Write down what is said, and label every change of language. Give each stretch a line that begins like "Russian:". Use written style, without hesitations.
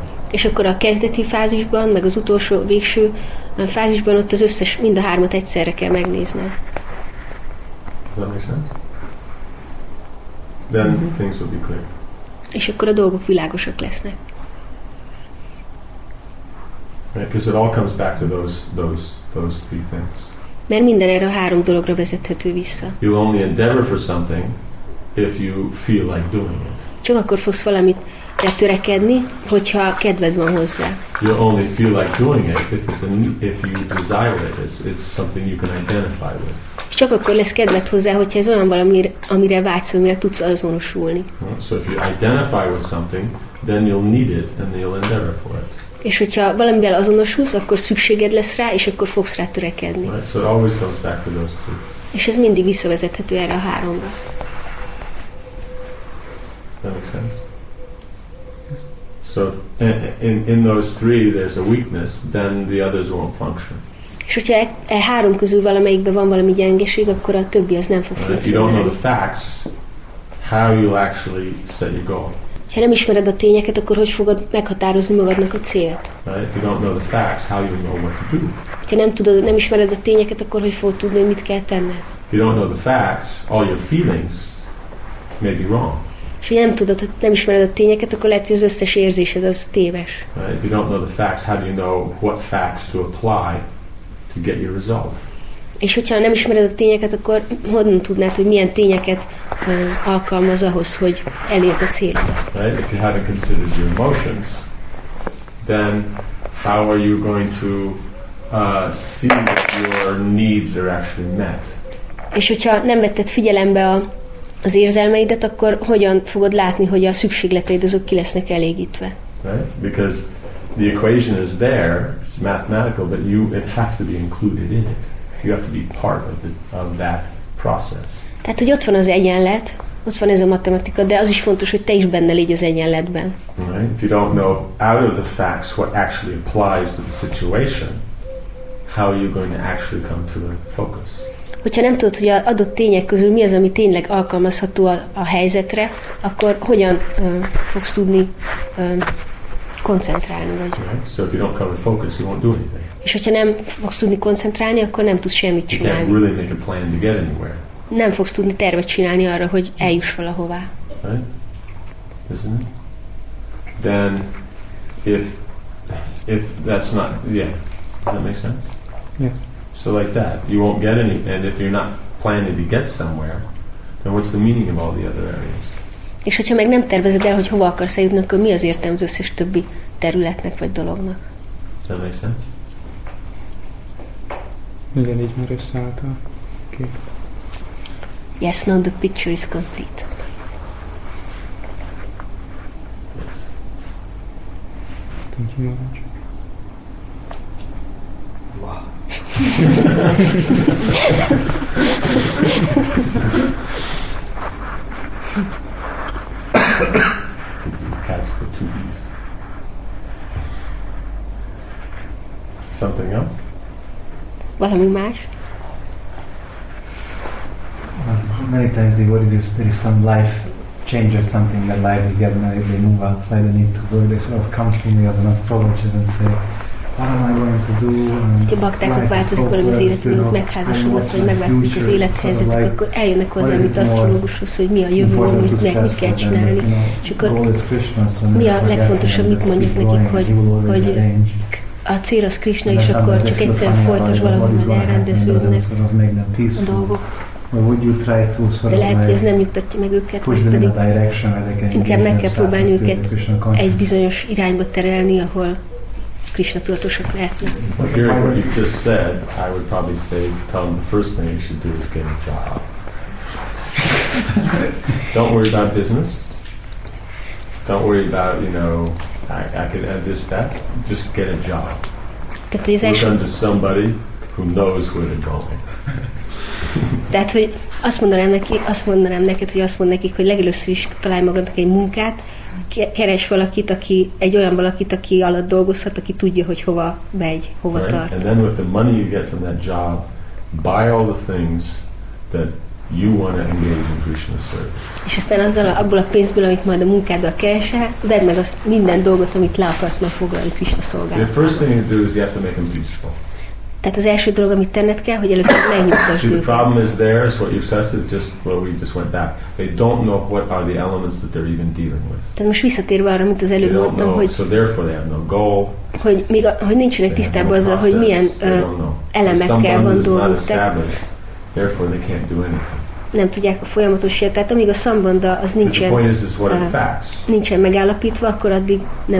Hungarian: És akkor a kezdeti fázisban, meg az utolsó, végső fázisban ott az összes, mind a hármat egyszerre kell megnézni.
English: Does that make sense? then mm-hmm. things will be clear.
Hungarian: És akkor a dolgok világosak lesznek.
English: Right, because it all comes back to those three things.
Hungarian: Mert minden erre a három dologra vezethető vissza.
English: You only endeavor for something if you feel like doing it.
Hungarian: Csak akkor fogsz valamit törekedni, hogyha kedved van hozzá.
English: You only feel like doing it if you desire it. It's something you can identify with.
Hungarian: És csak akkor lesz kedved hozzá, hogyha ez olyan valami, amire vágysz, amivel tudsz azonosulni.
English: So if you identify with something, then you'll need it and you'll endeavor for it.
Hungarian: És hogyha valamivel azonosulsz, akkor szükséged lesz rá, és akkor fogsz rá törekedni.
English: Right, so it always comes back to those two.
Hungarian: És ez mindig visszavezethető erre a háromra.
English: That makes sense. So in those three there's a weakness, then the others won't function.
Hungarian: És hogyha e három közül valamelyikben van valami gyengeség, akkor a többi az nem fog funkcionálni.
English: You don't know the facts, how you'll actually set your goal.
Hungarian: Ha nem ismered a tényeket, akkor hogy fogod meghatározni magadnak a célt?
English: Right? You don't know the facts, how you know what to do.
Hungarian: Ha nem tudod, nem ismered a tényeket, akkor hogy fogod tudni, hogy mit kell tenned?
English: You don't know the facts, all your feelings may be wrong.
Hungarian: És ha nem tudod, nem ismered a tényeket, akkor lehet, hogy az összes érzésed az téves.
English: Right? You don't know the facts, how do you know what facts to apply to get your result?
Hungarian: És hogyha nem ismered a tényeket, akkor honnan tudnád, hogy milyen tényeket alkalmaz ahhoz, hogy elérd a célt?
English: Right? If you haven't considered your emotions, then how are you going to see if your needs are actually met?
Hungarian: És hogyha nem vetted figyelembe az érzelmeidet, akkor hogyan fogod látni, hogy a szükségleteid azok ki lesznek elégítve?
English: Right? Because the equation is there, it's mathematical, but you it have to be included in it. You have to be part of that process.
Hungarian: Tehát, hogy ott van az egyenlet, ott van ez a matematika, de az is fontos, hogy te is benne légy az egyenletben.
English: Right? If you don't know out of the facts what actually applies to the situation, how are you going to actually come to a focus?
Hungarian: Hogyha nem tudod, hogy az adott tények közül mi az, ami tényleg alkalmazható a helyzetre, akkor hogyan fogsz tudni koncentrálni vagy?
English: Right? So if you don't come to focus, you won't do anything.
Hungarian: És hogyha nem fogsz tudni koncentrálni, akkor nem tudsz semmit csinálni.
English: Really make a plan to get anywhere.
Hungarian: Nem fogsz tudni tervet csinálni arra, hogy eljuss valahová.
English: Right? Isn't it? Then, if that's not, yeah, does that make sense? Yeah. So like that, you won't get any, and if you're not planning to get somewhere, then what's the meaning of all the other areas?
Hungarian: És hogyha meg nem tervezed el, hogy hova akarsz eljutni, akkor mi az értelme az összes többi területnek vagy dolognak?
English: Does that make sense?
Hungarian: Igen, így már összeállt a kép.
English: Yes, now the picture is complete. Yes. Thank you very much. Wow. Did you catch the two B's? Something else?
Hungarian: Valami más?
English: Many times the devotees, if there is some life change or something, their life is getting married, they move outside, they need to go, they sort of come to me as an astrologer and say, what am I going to do?
Hungarian: Ha baktákat változik valami az életünk, megházasodat, vagy megváltozik az élethelyzetük, like, akkor eljönnek hozzá, mint asztrológushoz, hogy mi a jövő, amit mit kell csinálni. És akkor mi a legfontosabb, mit mondjuk nekik, hogy a cél az Krishna, és akkor csak egyszer folytos valahogy elrendeződnek a dolgok.
English: Or would you try to sort
Hungarian: de lehet,
English: of like
Hungarian: ez nem nyugtatja meg őket,
English: push them in a direction where they can
Hungarian: inkább meg kell próbálni őket egy bizonyos irányba terelni, ahol Krishna tudatosak lehetnek.
English: Well, here, what you just said, I would probably say, tell them the first thing you should do is get a job. Don't worry about business. Don't worry about, you know, I could add this, that. Just get a job. Look under somebody who knows where they're going.
Hungarian: Tehát, hogy azt mondanám nekik, hogy legelőször is találj magadnak egy munkát, keresd valakit, aki egy olyan valakit, aki alatt dolgozhat, aki tudja, hogy hova megy, hova
English: right?
Hungarian: tart.
English: And then with the money you get from that job, buy all the things that you want to engage in Krishna service.
Hungarian: És aztán azzal abból a pénzből, amit majd a munkádban keresel, vedd meg azt minden dolgot, amit le akarsz majd foglalni Krishna szolgálatában.
English: So the first thing you do is you have to make them beautiful.
Hungarian: Tehát az első dolog, amit tenned kell, hogy először megnyugtasd őket.
English: The problem is theirs, what you said is just where we just went back. They don't know what are the elements that they're even dealing with.
Hungarian: Tehát most visszatérve arra, amit az előbb mondtam, hogy
English: so therefore they have no goal.
Hungarian: Hogy még hogy nincsenek tisztában azzal, hogy milyen elemekkel van dolguk.
English: Therefore they can't do anything.
Hungarian: Nem tudják a folyamatosságát, tehát amíg a szambanda az nincsen, nincsen megállapítva, akkor addig nem